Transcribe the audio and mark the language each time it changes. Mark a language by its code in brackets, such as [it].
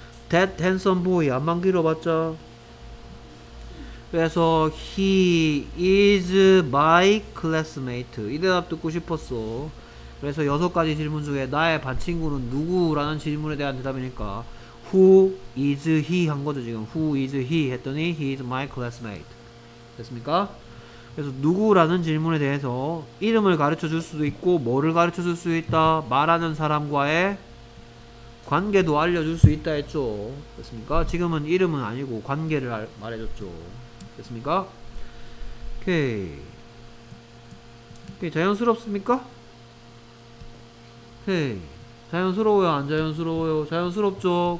[en] That handsome boy [ko] 안만 길어봤자. 그래서 [en] He is my classmate. [ko] 이 대답 듣고 싶었어. 그래서 여섯 가지 질문 중에 나의 반친구는 누구라는 질문에 대한 대답이니까 [en] Who is he [ko] 한 거죠 지금. [en] Who is he [ko] 했더니 [en] He is my classmate. [ko] 됐습니까? 그래서 누구라는 질문에 대해서 이름을 가르쳐 줄 수도 있고 뭐를 가르쳐 줄 수 있다 말하는 사람과의 관계도 알려줄 수 있다 했죠. 됐습니까? 지금은 이름은 아니고 관계를 말해줬죠. 됐습니까? 오케이. 오케이. 자연스럽습니까? 오케이. 자연스러워요? 안 자연스러워요? 자연스럽죠?